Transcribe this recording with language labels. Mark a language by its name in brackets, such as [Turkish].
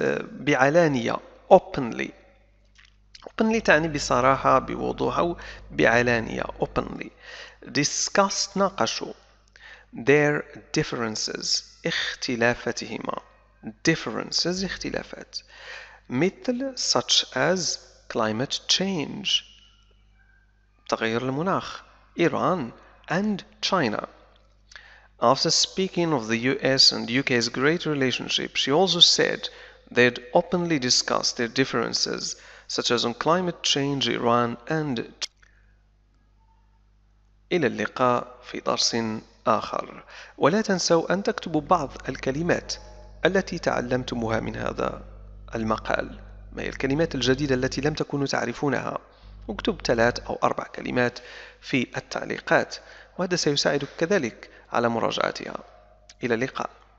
[Arabic] بعلانية [English] openly openly [Arabic] تعني بصراحة بوضوح أو بعلانية [English] openly discussed [Arabic] ناقشوا [English] their differences [Arabic] اختلافاتهما differences اختلافات مثل [English] such as climate change [Arabic] تغير المناخ إيران [English] and China. After speaking of the US and UK's great relationship, she also said they'd openly discussed their differences, such as on climate change, Iran, and [Arabic] إلى اللقاء في درس آخر. ولا تنسوا أن تكتبوا بعض الكلمات التي تعلمتموها من هذا المقال. ما هي الكلمات الجديدة التي لم تكونوا تعرفونها؟ اكتب 3 أو 4 كلمات في التعليقات وهذا سيساعدك كذلك على مراجعتها إلى اللقاء